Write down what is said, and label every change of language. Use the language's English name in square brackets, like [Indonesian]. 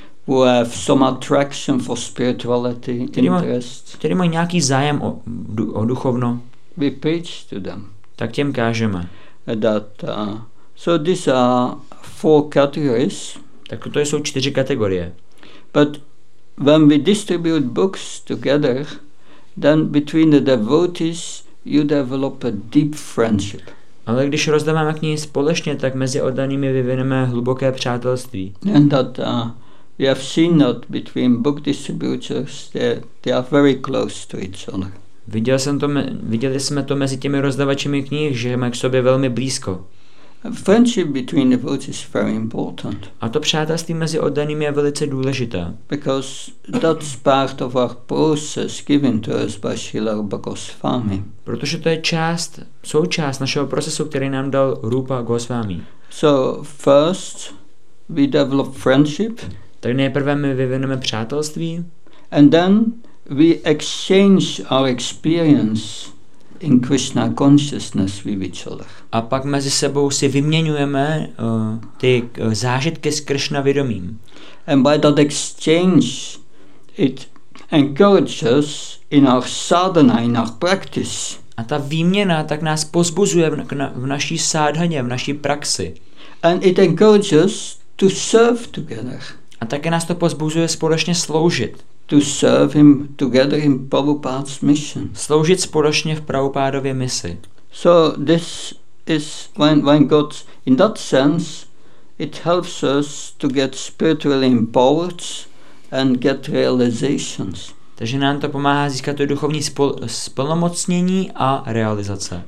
[English] Who have some attraction for spirituality, interest. [Czech] Který mají nějaký zájem o duchovno. [English] We preach to them. [Czech] Tak těm kážeme. [English] So these are four categories. [Czech] Tak to jsou čtyři kategorie. [English] But when we distribute books together, then between the devotees you develop a deep friendship. [Czech] Ale když rozdáváme knihy společně, tak mezi oddanými vyvineme hluboké přátelství. [English] And that we have seen that between book distributors they are very close to each other. [Czech] Viděli jsme to mezi těmi rozdavačemi knih, že mají k sobě velmi blízko. [English] Friendship between the devotees is very important. [Czech] A to přátelství mezi oddanými je velice důležité. [English] Because that's part of our process given to us by Srila Rupa Goswami. [Czech] Protože to je součást našeho procesu, který nám dal Rupa Goswami. [English] So first we develop friendship. [Czech] Tak nejprve my vyvineme přátelství. [English] And then we exchange our experience in Krishna consciousness with each other. [Czech] A pak mezi sebou si vyměňujeme zážitky s Krishna vědomím. [English] And by that exchange it encourages in our sadhana, in our practice. [Czech] A ta výměna tak nás pozbuzuje v naší sádhaně, v naší praxi. [English] And it encourages to serve together. [Czech] A také nás to pozbuzuje společně sloužit. [English] To serve him together in Prabhupada's mission. [Czech] Sloužit společně v Prabhupádově misi. [English] So this is when God in that sense it helps us to get spiritually empowered and get realizations. [Czech] Takže nám to pomáhá získat to duchovní splnomocnění a realizace.